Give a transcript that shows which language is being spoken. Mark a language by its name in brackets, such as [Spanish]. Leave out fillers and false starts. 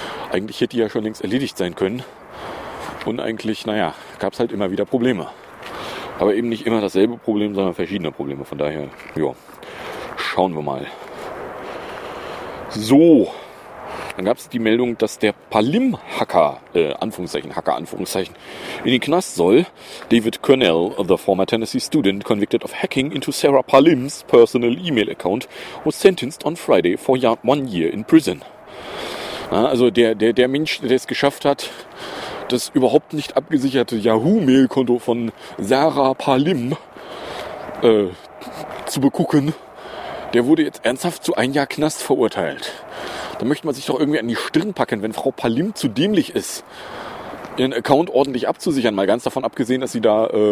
[German] Eigentlich hätte die ja schon längst erledigt sein können. Und eigentlich, naja, gab es halt immer wieder Probleme. Aber eben nicht immer dasselbe Problem, sondern verschiedene Probleme. Von daher, ja, schauen wir mal. So. Dann gab es die Meldung, dass der Palim-Hacker, Anführungszeichen, Hacker, Anführungszeichen, in den Knast soll. [English] David Cornell, the former Tennessee student convicted of hacking into Sarah Palim's personal email account, was sentenced on Friday for 1 year in prison. [German] Na, also der Mensch, der es geschafft hat, das überhaupt nicht abgesicherte Yahoo-Mail-Konto von Sarah Palim zu begucken, der wurde jetzt ernsthaft zu 1 Jahr Knast verurteilt. Da möchte man sich doch irgendwie an die Stirn packen, wenn Frau Palim zu dämlich ist, ihren Account ordentlich abzusichern. Mal ganz davon abgesehen, dass sie da